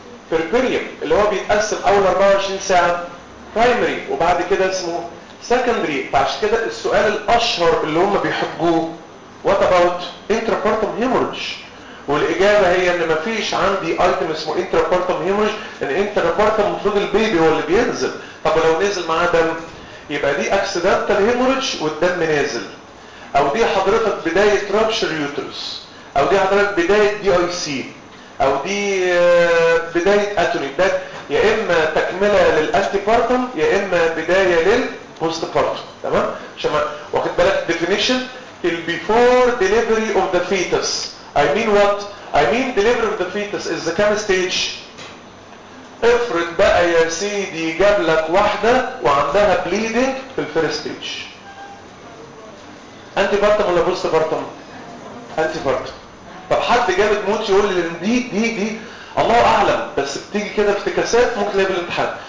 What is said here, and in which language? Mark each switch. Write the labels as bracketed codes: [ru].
[ar] بيربيريوم اللي هو بيتقسم اول 24 ساعه برايمري وبعد كده اسمه سكندري فعشان كده السؤال الاشهر اللي هم بيحبوه [en] What about intrapartum hemorrhage؟ [ar] والإجابة هي إن مفيش عندي item اسمه intrapartum hemorrhage، إن intrapartum المفروض البيبي هو اللي بينزل، طب لو نزل معاه دم يبقى دي accidental hemorrhage والدم نازل، أو دي حضرتك بداية rupture uterus، أو دي حضرتك بداية DIC، أو دي بداية atony، ده يا إما تكملة للأنتيبارتم يا إما بداية للبوستبارتم، تمام؟ عشان واخد بالك [en] definition till before delivery of the fetus. I mean what? I mean delivery of the fetus is the coming stage. [ar] افرض بقى يا سيدي جاب لك واحدة وعندها bleeding في ال first stage. انتي بارتم ولا بوست بارتم؟ انتي بارتم. طب حد جاب تموت يقول لي دي الله اعلم بس بتيجي كده افتكاسات ممكن تلاقي بالامتحان.